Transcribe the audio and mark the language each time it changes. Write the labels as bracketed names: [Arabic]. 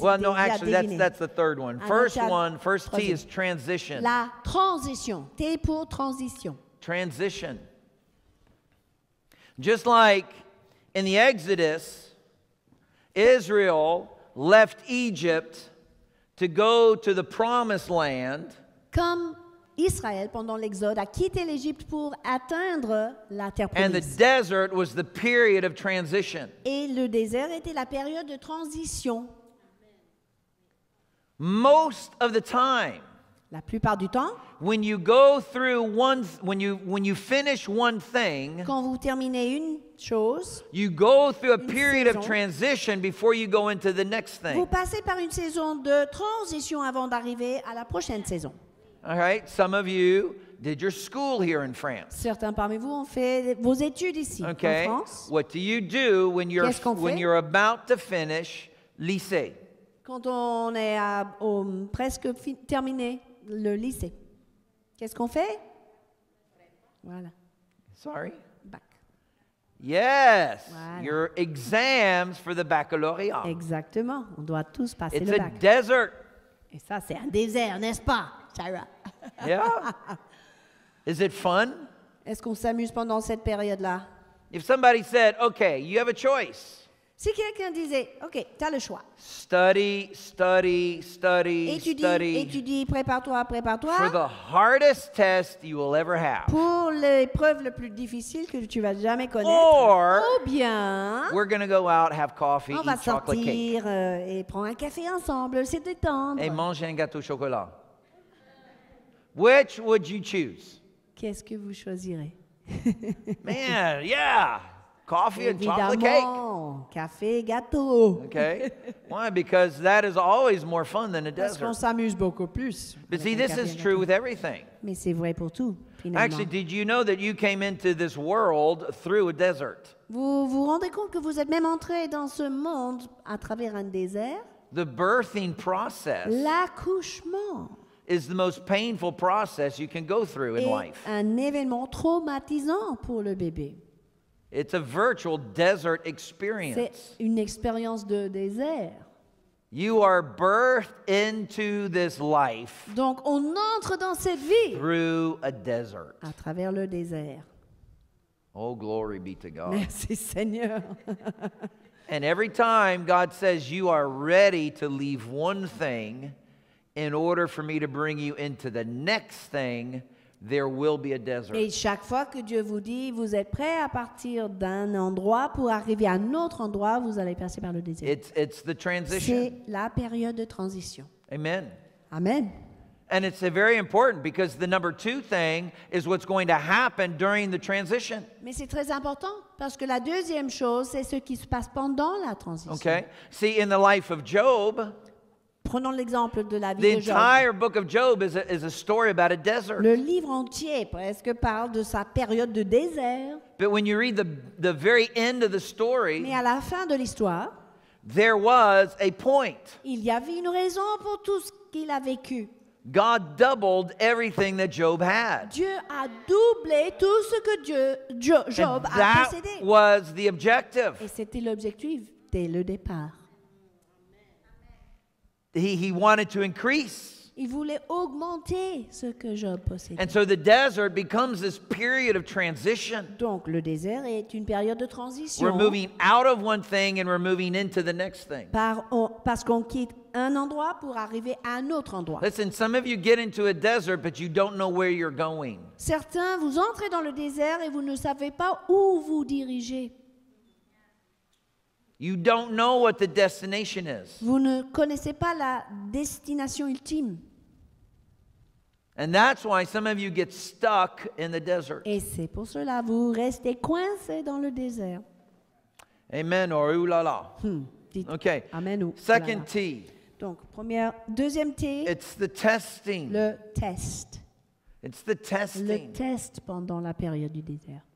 [English] Well, no, actually, that's the third one. First one, first T is transition. [French] La transition. T pour transition. [English] Transition. Just like in the Exodus, Israel left Egypt to go to the promised land. [French] Comme Israël, pendant l'Exode, a quitté l'Égypte pour atteindre la terre promise. [English] And the desert was the period of transition. [French] Et le désert était la période de transition. [English] Most of the time, [French] la plupart du temps, [English] when you go through one, when you finish one thing, [French] quand vous terminez une chose, [English] you go through a period of transition before you go into the next thing. [French] Vous passez par une saison de transition avant d'arriver à la prochaine saison. [English] All right, some of you did your school here in France. [French] Certains parmi vous ont fait vos études ici, en France. [English] What do you do when you're about to finish lycée? [French] Quand on est presque terminé le lycée, qu'est-ce qu'on fait? Voilà. [English] Sorry? [French] Bac. [English] Yes, [French] voilà. [English] Your exams for the baccalauréat. [French] Exactement, on doit tous passer [English] It's [French] le bac. [English] It's a desert. [French] Et ça, c'est un désert, n'est-ce pas? [English] Yeah. Is it fun? [French] Est-ce qu'on s'amuse pendant cette période-là? [English] If somebody said, "Okay, you have a choice." [French] Si quelqu'un disait, "OK, tu as le choix." [English] Study, study, study, [French] étudie, [English] study. [French] Étudie, prépare-toi, prépare-toi. [English] For the hardest test you will ever have. [French] Pour l'épreuve la plus difficile que tu vas jamais connaître. [English] Or, [French] ou bien, [English] we're going to go out, have coffee, [French] on [English] eat [French] va [English] chocolate [French] sortir, [English] cake. [French] Et prendre un café ensemble, se détendre. Et manger un gâteau au chocolat. [English] Which would you choose? [French] Qu'est-ce que vous choisirez? [English] Man, yeah. Coffee [French] Évidemment, [English] and chocolate cake. [French] Café et gâteau. [English] Okay. Why? Because that is always more fun than a [French] Parce [English] desert. [French] Qu'on s'amuse beaucoup plus. [English] But see, this is true with everything. [French] Mais c'est vrai pour tout, finalement. [English] Actually, did you know that you came into this world through a desert? [French] Vous vous rendez compte que vous êtes même entré dans ce monde à travers un désert? [English] The birthing process. [French] L'accouchement. [English] Is the most painful process you can go through in life. [French] Un événement traumatisant pour le bébé. [English] It's a virtual desert experience. [French] C'est une expérience de désert. [English] You are birthed into this life. [French] Donc on entre dans cette vie. [English] Through a desert. [French] À travers le désert. [English] Oh, glory be to God. [French] Merci Seigneur. [English] And every time God says you are ready to leave one thing, in order for me to bring you into the next thing, there will be a desert. [French] Et chaque fois que Dieu vous dit, vous êtes prêt à partir d'un endroit pour arriver à un autre endroit, vous allez passer par le désert. [English] It's the transition. [French] C'est la période de transition. [English] Amen. [French] Amen. [English] And it's a very important because the number two thing is what's going to happen during the transition. [French] Mais c'est très important parce que la deuxième chose c'est ce qui se passe pendant la transition. [English] Okay. See, in the life of Job. [French] Prenons l'exemple de la vie [English] the [French] de Job. [English] The entire book of Job is a story about a desert. [French] Le livre entier presque parle de sa période de désert. [English] But when you read the very end of the story. [French] Mais à la fin de l'histoire. [English] There was a point. [French] Il y avait une raison pour tout ce qu'il a vécu. [English] God doubled everything that Job had. [French] Dieu a doublé tout ce que Job [English] a possédé. That was the objective. [French] Et c'était l'objectif dès le départ. [English] He wanted to increase. [French] Il voulait augmenter ce que Job possédait. [English] And so the desert becomes this period of transition. [French] Donc le désert est une période de transition. [English] We're moving out of one thing and we're moving into the next thing. [French] Parce qu'on quitte un endroit pour arriver à un autre endroit. [English] Listen, some of you get into a desert but you don't know where you're going. [French] Certains vous entrez dans le désert et vous ne savez pas où vous dirigez. [English] You don't know what the destination is. [French] Vous ne connaissez pas la destination ultime. [English] And that's why some of you get stuck in the desert. [French] Et c'est pour cela vous restez coincé dans le désert. [English] Amen or ooh la la. [French] Dites okay. Amen ou. [English] Second T. [French] Donc première deuxième T. [English] It's the testing. [French] Le test. [English] It's the testing. [French] Le test pendant la période du désert.